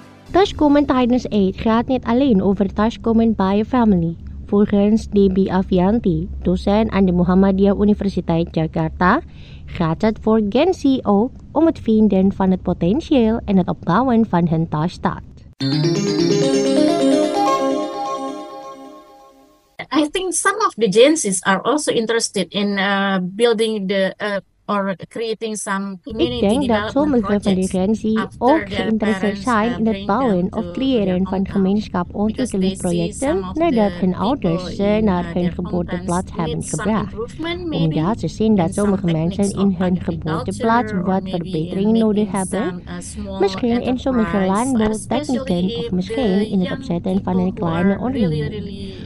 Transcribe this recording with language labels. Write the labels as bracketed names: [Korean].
[Dutch] Thuiskomen tijdens eten gaat niet alleen over thuiskomen bij je familie. Volgens Debbie Avianti, docent aan de Muhammadiyah Universiteit Jakarta, gaat het voor Gen Z ook om het vinden van het potentieel en het opbouwen van hun thuisstaat. [English] I think some of the Gen Z's are also interested in building the or creating some community. [Dutch] Ik denk dat sommige van de Gen Z ook geïnteresseerd zijn in het bouwen of creëren van gemeenschapontwikkelingsprojecten nadat hun ouders ze naar hun geboorteplaats hebben gebracht. Omdat ze zien dat sommige mensen in hun geboorteplaats wat verbetering nodig hebben, misschien in sommige landbouwtechnieken of misschien in het opzetten van een kleine onderneming.